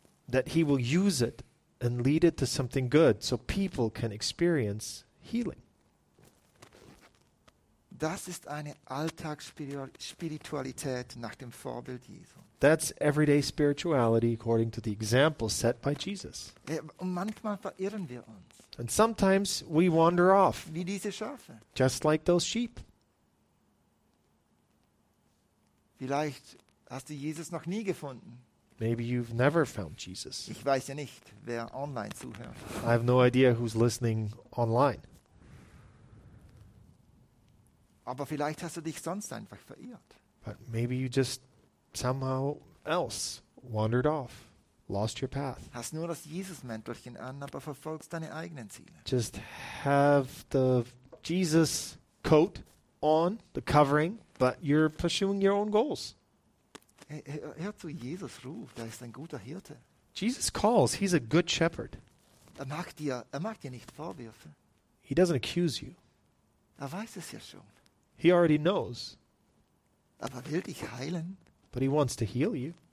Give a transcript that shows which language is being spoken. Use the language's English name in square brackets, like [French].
[English] That he will use it and lead it to something good, so people can experience healing. [German] Das ist eine Alltagsspiritualität nach dem Vorbild Jesu. [English] That's everyday spirituality according to the example set by Jesus. [German] Ja, und manchmal verirren wir uns. [English] And sometimes we wander off. [German] Wie diese Schafe. [English] Just like those sheep. [German] Vielleicht hast du Jesus noch nie gefunden. [English] Maybe you've never found Jesus. [German] Ich weiß ja nicht, wer online zuhört. [English] I have no idea who's listening online. [German] Aber vielleicht hast du dich sonst einfach verirrt. [English] But maybe you just somehow else wandered off, lost your path. [German] Hast nur das Jesus-Mäntelchen an, aber verfolgst deine eigenen Ziele. [English] Just have the Jesus coat on, the covering, but you're pursuing your own goals. [German] Hör zu, Jesus ruft, er ist ein guter Hirte. [English] Jesus calls, he's a good shepherd. [German] Er macht dir nicht Vorwürfe. [English] He doesn't accuse you. [German] Er weiß es ja schon. [English] He already knows. [German] Aber will dich heilen. [English] But he wants to heal you.